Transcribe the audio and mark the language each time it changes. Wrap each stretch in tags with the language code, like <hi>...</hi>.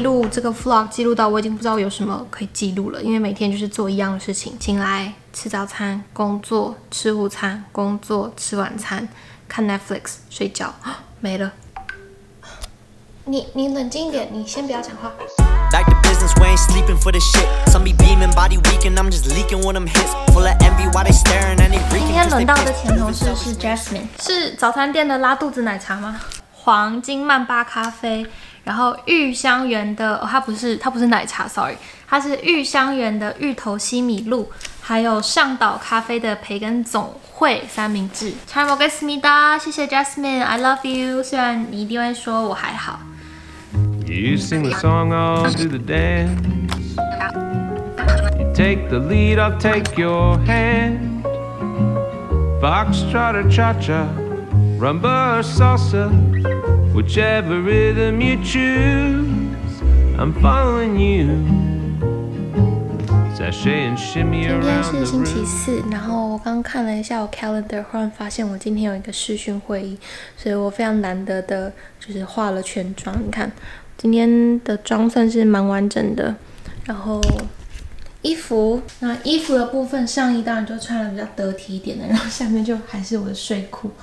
<zh>这个 vlog 记录到我已经不知道有什么可以记录了，因为每天就是做一样的事情，醒来吃早餐，工作吃午餐，工作吃晚餐，看 Netflix 睡觉，没了。你冷静一点，你先不要讲话。</zh> <en>Like the business, we ain't sleeping for the shit. Some be beaming, body weakin', I'm just leaking when I'm hit. Full of envy, why they staring and they reeking?</en> <zh>今天轮到的甜筒是 Jasmine， 是早餐店的拉肚子奶茶吗？黄金曼巴咖啡。然后玉香园的、哦、它不是奶茶 ，sorry， 它是玉香园的芋头西米露，还有上岛咖啡的培根总会三明治。</zh> <ko>잘먹겠습니다，</ko> <zh>谢谢</zh> <en>Jasmine，I love you。</en> <zh>虽然你一定会说我还好。</zh> <en>You sing the song, I'll do the dance. You take the lead, I'll take your hand. Foxtrot or cha-cha, rumba or salsa. Whichever rhythm you choose, I'm following you. Sashay and shimmy around the room.</en> <zh>今天是星期四，然后我刚看了一下我 calendar， 忽然发现我今天有一个视讯会议，所以我非常难得的就是化了全妆。你看，今天的妆算是蛮完整的。然后衣服，那衣服的部分，上衣当然就穿了比较得体一点的，然后下面就还是我的睡裤。</zh>